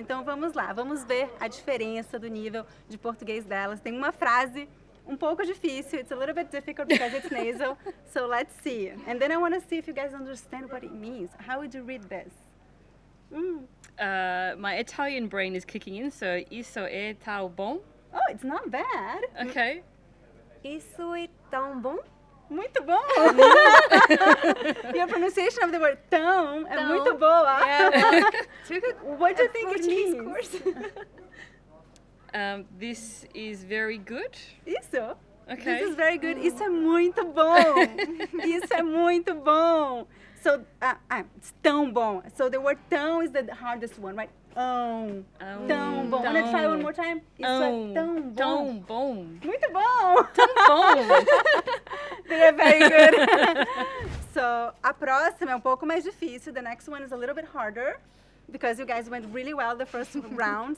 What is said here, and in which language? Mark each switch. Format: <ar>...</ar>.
<pt>Então vamos lá, vamos ver a diferença do nível de português delas. Tem uma frase um pouco difícil.</pt> <en>It's a little bit difficult because it's nasal. So let's see. And then I want to see if you guys understand what it means. How would you read this? My Italian brain is kicking in, so</en> <pt>isso è tão bom.</pt> <en>Oh, it's not bad. Okay.</en> <pt>Isso é tão bom. Muito bom!</pt> <en>Your pronunciation of the word tão</en> <pt>é muito boa!</pt> <en>Yeah. What do you think it means? Course. This is very good.</en> <pt>Isso!</pt> <en>Okay. This is very good. Oh.</en> <pt>Isso é muito bom! Isso é muito bom!</pt> <en>So, it's</en> <pt>tão bom.</pt> <en>So the word tão is the hardest one, right?</en> <pt>Tão bom.</pt> <en>Wanna try one more time?</en> <pt>Tão bom. Muito bom! Tão bom!</pt> <en>They are very good.</en> <pt>So, a próxima é um pouco mais difícil.</pt> <en>The next one is a little bit harder because you guys went really well the first round.</en>